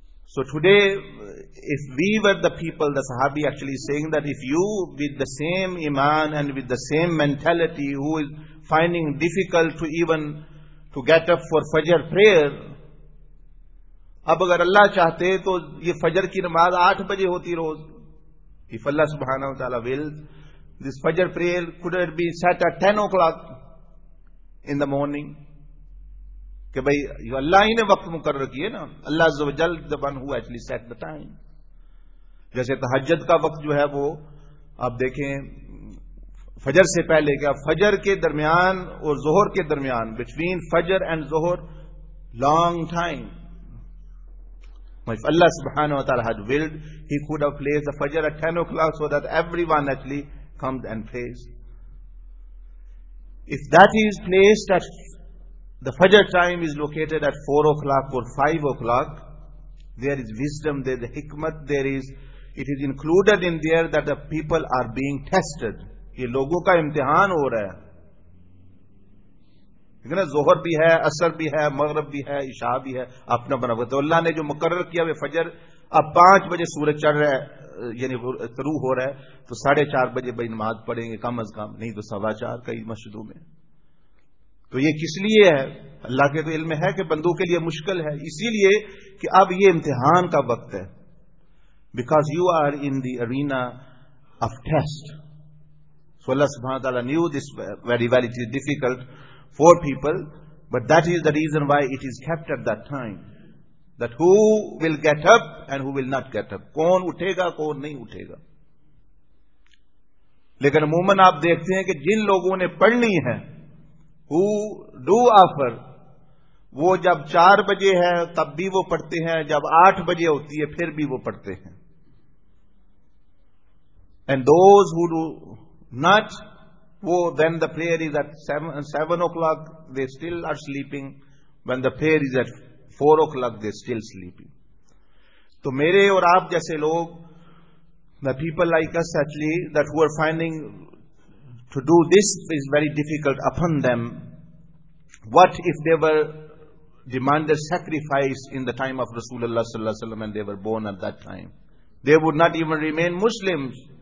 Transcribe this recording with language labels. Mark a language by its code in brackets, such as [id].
[en] So today, if we were the people, the Sahabi actually saying that if you with the same iman and with the same mentality who is finding difficult to even to get up for Fajr prayer, [ur] اب اگر اللہ چاہتے تو یہ فجر کی نماز 8 بجے ہوتی روز. [en] If Allah subhanahu wa ta'ala will, this Fajr prayer could it be set at 10 o'clock in the morning. [ur] کہ بھائی اللہ ہی نے وقت مقرر کیے نا, اللہ عز و جل زبان ہوا [en] Actually set the time. [ur] جیسے تہجد کا وقت جو ہے وہ آپ دیکھیں فجر سے پہلے کیا, فجر کے درمیان اور ظہر کے درمیان, [en] Between فجر and ظہر long time. اللہ سبحانہ و تعالی had willed he could have placed the فجر at 10 o'clock so that everyone actually comes and prays. If that is placed at The Fajr time is located at 4 o'clock or 5 o'clock. There is wisdom, there is the hikmat, there is, it is included in there that the people are being tested. [ur] یہ لوگوں کا امتحان ہو رہا ہے. لیکن ظہر بھی ہے, عصر بھی ہے, مغرب بھی ہے, عشاء بھی ہے, اپنا بنا ہوا. تو اللہ نے جو مقرر کیا ہوئے فجر, اب 5 بجے سورج چڑھ رہا ہے یعنی طلوع ہو رہا ہے, تو 4:30 بجے بھائی نماز پڑھیں گے کم از کم, نہیں تو 4:15 کئی مسجدوں میں. تو یہ کس لیے ہے؟ اللہ کے تو علم ہے کہ بندوں کے لیے مشکل ہے, اسی لیے کہ اب یہ امتحان کا وقت ہے. [en] Because you are in the arena of test. So Allah سبحانہ وتعالی knew this very well, it is difficult for people, but that is the reason why it is kept at that time. That who will get up and who will not get up. [ur] کون اٹھے گا کون نہیں اٹھے گا. لیکن عموماً آپ دیکھتے ہیں کہ جن لوگوں نے پڑھنی ہے [en] who do offer, [ur] وہ جب 4 بجے ہے تب بھی وہ پڑھتے ہیں, جب 8 بجے ہوتی ہے پھر بھی وہ پڑھتے ہیں. [en] And those who do not, وہ when the prayer is at 7 o'clock they still are sleeping, when the prayer is at 4 o'clock they still sleeping. [ur] تو میرے اور آپ جیسے لوگ, [en] the people like us actually that who are finding to do this is very difficult upon them, what if they were demanded sacrifice in the time of Rasulullah sallallahu alaihi wasallam and they were born at that time, they would not even remain Muslims.